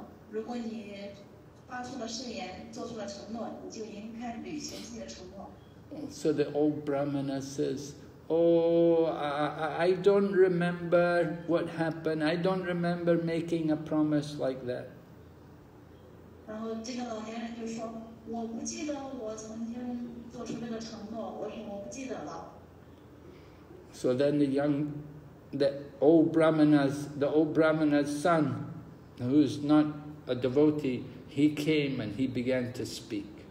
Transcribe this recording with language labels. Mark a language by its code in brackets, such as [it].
[zh] 如果你发出了誓言，做出了承诺，你就应该履行自己的承诺。 [en] So the old brahmana says, I don't remember what happened. I don't remember making a promise like that. [zh] 然后这个老年人就说，我不记得我曾经做出那个承诺，我不记得了。 [en] So then the old brahmana's son, who is not a devotee, he came and he began to speak.